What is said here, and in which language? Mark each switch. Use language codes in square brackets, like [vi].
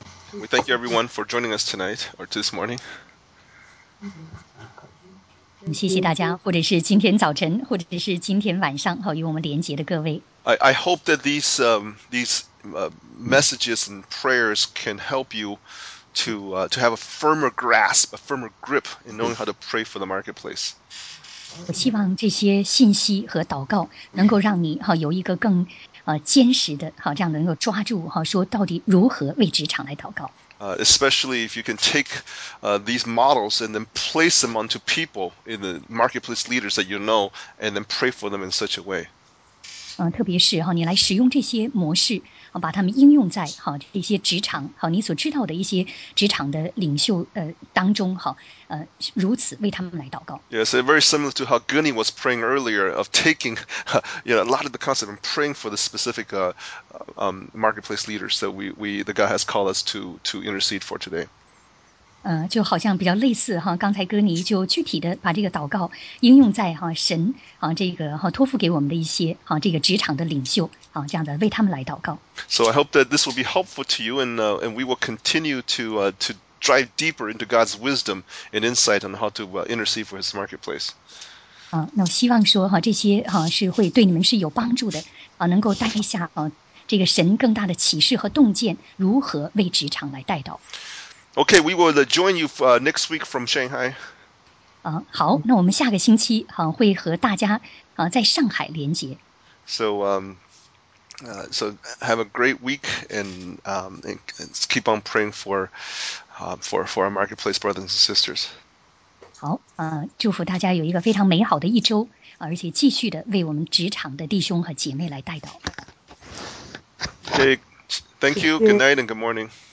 [en] We thank you everyone for joining us tonight or this morning. [zh] 谢谢大家，或者是今天早晨，或者是今天晚上，好与我们连接的各位。 [en] I hope that these messages and prayers can help you to have a firmer grasp, a firmer grip in knowing how to pray for the marketplace. [zh] 我希望这些信息和祷告能够让你好有一个更坚实的好这样能够抓住好说到底如何为职场来祷告。 [en] Especially if you can take these models and then place them onto people in the marketplace leaders that you know and then pray for them in such a way. [zh] 特别是你来使用这些模式把它们应用在好一些职场好你所知道的一些职场的领袖当中好如此为他们来祷告。 [en] Yes, very similar to how Gurney was praying earlier of taking a lot of the concept and praying for the specific marketplace leaders that the God has called us to intercede for today. [zh] 就好像比较类似哈刚才哥尼就具体的把这个祷告应用在哈神啊这个哈托付给我们的一些哈这个职场的领袖啊这样的为他们来祷告。 [en] So I hope that this will be helpful to you and we will continue to drive deeper into God's wisdom and insight on how to intercede for his marketplace. [zh] 那我希望说哈这些哈是会对你们是有帮助的啊能够带一下啊这个神更大的启示和洞见如何为职场来带祷。 [en] Okay, we will join you next week from Shanghai. [zh] 好，那我们下个星期会和大家在上海连接。 [en] So have a great week and keep on praying for our marketplace brothers and sisters. [zh] 好，祝福大家有一个非常美好的一周，而且继续的为我们职场的弟兄和姐妹来带祷。 [en] Okay, thank you. Good night and good morning.